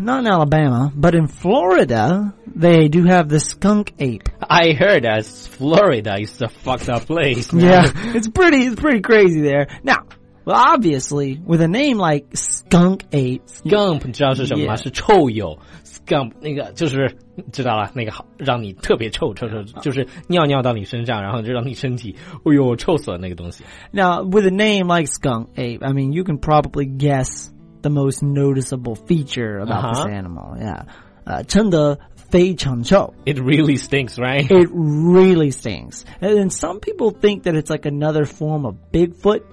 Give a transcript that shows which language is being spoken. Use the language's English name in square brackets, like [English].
[English] Not in Alabama, but in Florida, they do have the skunk ape. I heard that Florida is a fucked up place. Yeah, it's pretty crazy there. Now, Well, obviously, with a name like Skunk Ape. [Chinese] Skunk, 你知道是什么吗？ 是臭鼬。 Skunk, 那个就是知道了，那个让你特别臭，臭臭，就是尿尿到你身上，然后就让你身体，哎呦，臭死了那个东西。 [English] Now, with a name like Skunk Ape, I mean, you can probably guess the most noticeable feature about this animal. [Chinese] Yeah, 真的非常臭。 [English] It really stinks, right? It really stinks. And some people think that it's like another form of Bigfoot.